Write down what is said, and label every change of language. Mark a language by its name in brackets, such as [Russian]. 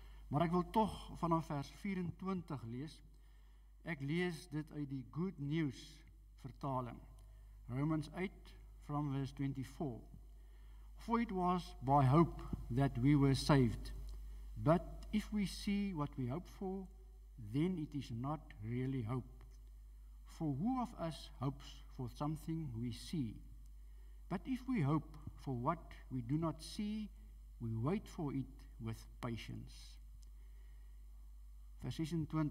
[Afrikaans] Maar ek wil toch vanaf vers 24 lees. Ek lees dit uit die Good News vertaling. [English] Romans 8 from verse 24. For it was by hope that we were saved. But if we see what we hope for, then it is not really hope. For who of us hopes for something we see? But if we hope for what we do not see, we wait for it with patience. [Afrikaans] Vers 26.